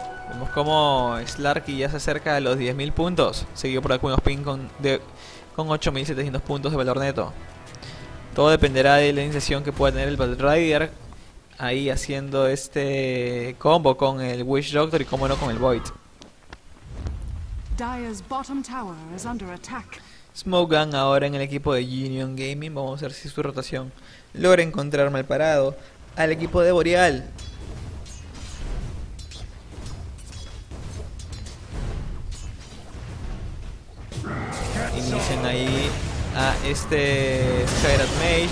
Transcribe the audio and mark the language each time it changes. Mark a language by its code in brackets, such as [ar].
[es] Vemos como Slarky ya se acerca a los 10.000 puntos. Seguido por algunos pin con 8.700 puntos de valor neto. Todo dependerá de la iniciación que pueda tener el Battle Rider ahí haciendo este combo con el Witch Doctor y como no con el Void. [en] Dire's bottom tower is under attack. [es] Smoke Gun ahora en el equipo de Union Gaming. Vamos a ver si su rotación logra encontrar mal parado al equipo de Boreal. Inician ahí a este Skyrat Mage.